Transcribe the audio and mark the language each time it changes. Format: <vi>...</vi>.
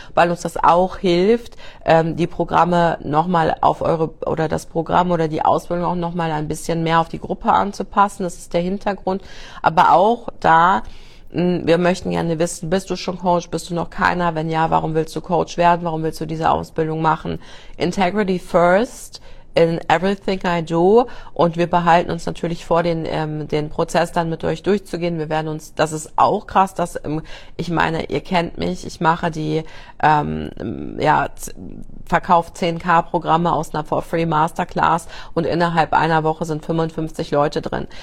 <de>Weil uns das auch hilft, die Programme nochmal auf eure oder das Programm oder die Ausbildung auch nochmal ein bisschen mehr auf die Gruppe anzupassen. Das ist der Hintergrund. Aber auch da, wir möchten gerne wissen, bist du schon Coach? Bist du noch keiner? Wenn ja, warum willst du Coach werden? Warum willst du diese Ausbildung machen?</de> <en>Integrity first in everything I do.</en> <de>Und wir behalten uns natürlich vor, den Prozess dann mit euch durchzugehen. Wir werden uns, das ist auch krass, dass, ich meine, ihr kennt mich, ich mache die, ja, verkauf 10K-Programme aus einer For-Free-Masterclass und innerhalb einer Woche sind 55 Leute drin.</de>